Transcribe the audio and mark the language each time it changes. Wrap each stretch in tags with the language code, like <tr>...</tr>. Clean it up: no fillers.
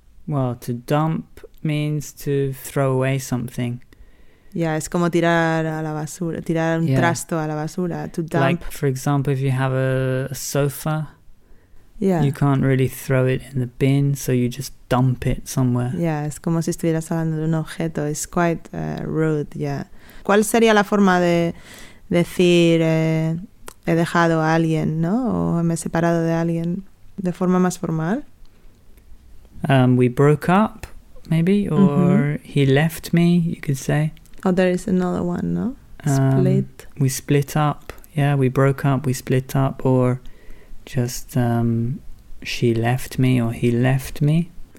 <en>Well, to dump means to throw away something. Yeah, it's</en> <es>como tirar a la basura, tirar un trasto a la basura,</es> <en>to dump. Like, for example, if you have a sofa, yeah, you can't really throw it in the bin, so you just dump it somewhere.</en> <es>Yeah, es como si estuvieras hablando de un objeto.</es> <en>It's quite rude, yeah.</en> <es>¿Cuál sería la forma de decir he dejado a alguien, no? O me he separado de alguien de forma más formal?</es> <en>We broke up, maybe, or mm-hmm. He left me, you could say. Oh, there is another one, no? Split. We split up, yeah, we broke up, we split up, or... just she left me or he left me.</en>